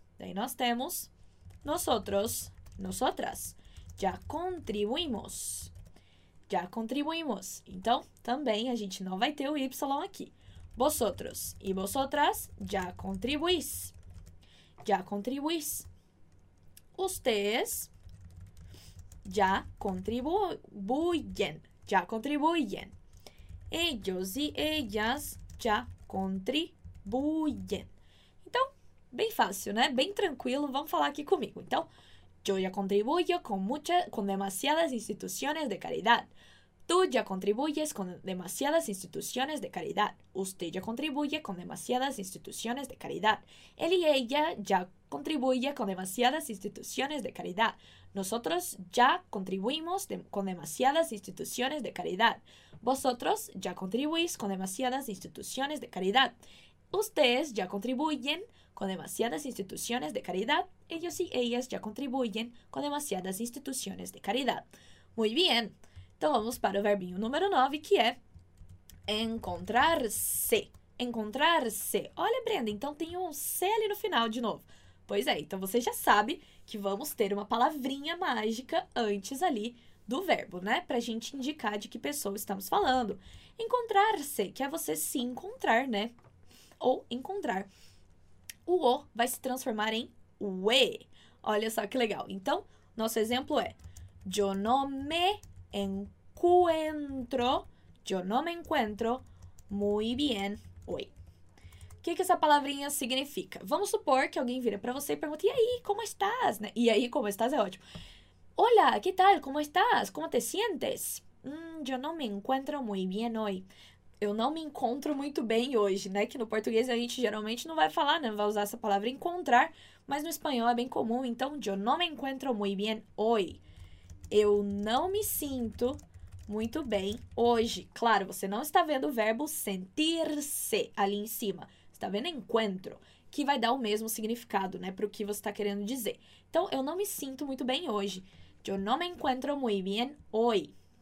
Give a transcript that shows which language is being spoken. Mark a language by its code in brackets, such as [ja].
[es] De ahí nos tenemos nosotros, nosotras, ya contribuimos. Já contribuímos. [pt] Então, também a gente não vai ter o Y aqui. [es] Vosotros e vosotras já contribuís. Já contribuís. Ustedes já contribuyen. Já contribuyen. Ellos e ellas já contribuyen. [pt] Bem fácil, né? Bem tranquilo. Vamos falar aqui comigo. [es] Então, yo ya contribuyo con demasiadas instituciones de caridad. Tú ya contribuyes con demasiadas instituciones de caridad. Usted ya contribuye con demasiadas instituciones de caridad. Él y ella ya contribuye con demasiadas instituciones de caridad. Nosotros ya contribuimos con demasiadas instituciones de caridad. Vosotros ya contribuís con demasiadas instituciones de caridad. Ustedes ya contribuyen con demasiadas instituciones de caridad. Ellos y ellas ya contribuyen con demasiadas instituciones de caridad. Muy bien. [pt] Então vamos para o verbinho número 9, que é encontrar-se. Encontrar-se. Olha, Brenda, então tem um C ali no final de novo. Pois é, então você já sabe que vamos ter uma palavrinha mágica antes ali do verbo, né? Para a gente indicar de que pessoa estamos falando. Encontrar-se, que é você se encontrar, né? Ou encontrar. O vai se transformar em we. Olha só que legal. Então, nosso exemplo é [es] yo no me encuentro. Yo no me encuentro muy bien hoy. [pt] O que que essa palavrinha significa? Vamos supor que alguém vira para você e pergunta: e aí, como estás? Né? E aí, como estás é ótimo. [es] Hola, ¿qué tal? ¿Cómo estás? ¿Cómo te sientes? Yo no me encuentro muy bien hoy. [pt] Eu não me encontro muito bem hoje, né? Que no português a gente geralmente não vai falar, né? Vai usar essa palavra encontrar, mas no espanhol é bem comum. [es] Então, yo no me encuentro muy bien hoy. [pt] Eu não me sinto muito bem hoje. Claro, você não está vendo o verbo sentir-se ali em cima. Você está vendo encuentro, que vai dar o mesmo significado, né, para o que você está querendo dizer. Então, eu não me sinto muito bem hoje. [es] Yo no me encuentro muy bien hoy.